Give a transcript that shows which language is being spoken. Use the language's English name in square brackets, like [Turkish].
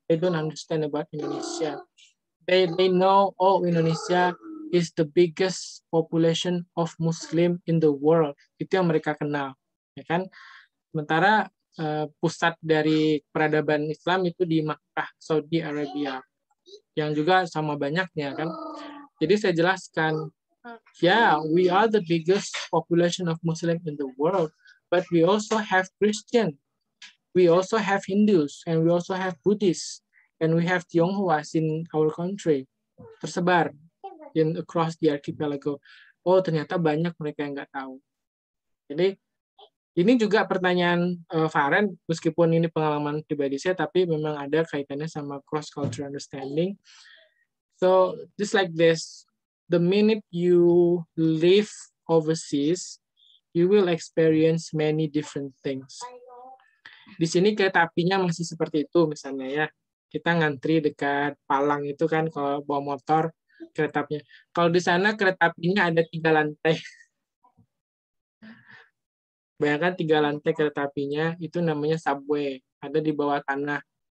[English] They don't understand about Indonesia. They know, oh, Indonesia is the biggest population of Muslim in the world. [Indonesian] Itu yang mereka kenal. Ya kan? Sementara pusat dari peradaban Islam itu di Makkah, Saudi Arabia, yang juga sama banyaknya kan. Jadi saya jelaskan, [English] yeah, we are the biggest population of Muslim in the world, but we also have Christian, we also have Hindus, and we also have Buddhists, and we have Tionghoa in our country, [Indonesian] tersebar [English] in across the archipelago. [Indonesian] Oh, ternyata banyak mereka yang nggak tahu. Jadi ini juga pertanyaan Varen, meskipun ini pengalaman pribadi saya, tapi memang ada kaitannya sama cross-cultural understanding. [English] So, just like this, the minute you live overseas, you will experience many different things. [Indonesian] Di sini kereta apinya masih seperti itu, misalnya ya. Kita ngantri dekat palang itu kan, kalau bawa motor, kereta apinya. Kalau di sana kereta apinya ada 3 lantai. Bayangkan 3 lantai kereta apinya, itu namanya subway, ada di bawah tanah.